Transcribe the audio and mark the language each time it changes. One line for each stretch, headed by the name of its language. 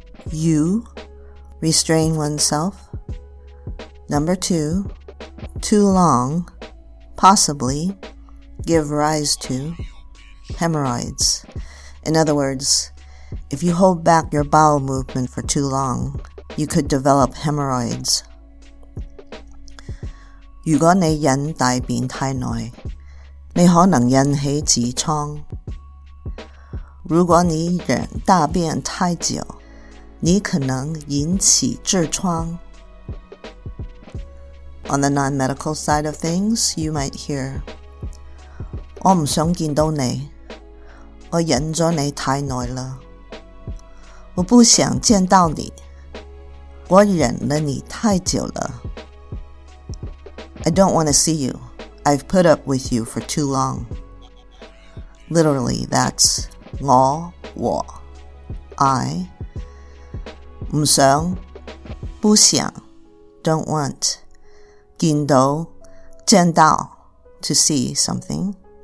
English: You restrain oneself. Number two, too long, possibly give rise to hemorrhoids. In other words, if you hold back your bowel movement for too long, you could develop hemorrhoids.
Chinese: 如果你忍大便太耐，你可能引起痔疮。如果你忍大便太久，你可能引起痔疮。
English: On the non-medical side of things, you might hear,
Chinese: 我不想见到你，我忍了你太耐了。我不想见到你，我忍了你太久了。
English: I don't want to see you. I've put up with you for too long. Literally, that's
Chinese: 我, 我,
English: I,
Chinese: 不想，不想
English: ，don't want，
Chinese: 见到，见到
English: ，to see something，